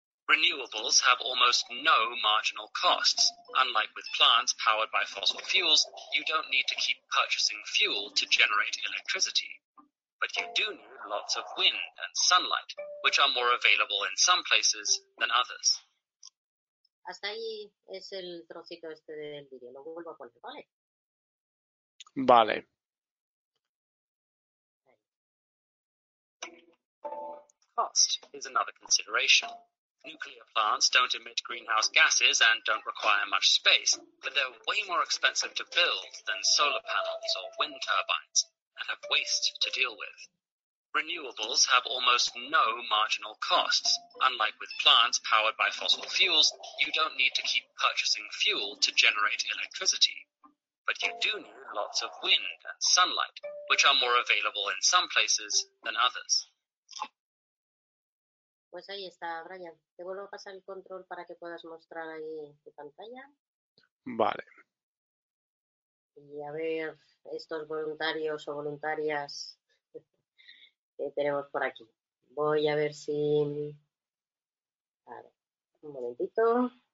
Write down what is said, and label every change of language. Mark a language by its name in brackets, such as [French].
[English] Renewables have almost no marginal costs. Unlike with plants powered by fossil fuels, you don't need to keep purchasing fuel to generate electricity. But you do need lots of wind and sunlight, which are more available in some places than others. [Spanish] Hasta ahí es el trocito este del vídeo. Lo vuelvo a poner, ¿vale? Vale. [English] Cost is another consideration. Nuclear plants don't emit greenhouse gases and don't require much space, but they're way more expensive to build than solar panels or wind turbines and have waste to deal with. Renewables have almost no marginal costs. Unlike with plants powered by fossil fuels, you don't need to keep purchasing fuel to generate electricity. But you do need lots of wind and sunlight, which are more available in some places than others. [Spanish] Pues ahí está, Brian. Te vuelvo a pasar el control para que puedas mostrar ahí tu pantalla. Vale. Y a ver estos voluntarios o voluntarias... tenemos por aquí. Voy a ver si... A ver, un momentito.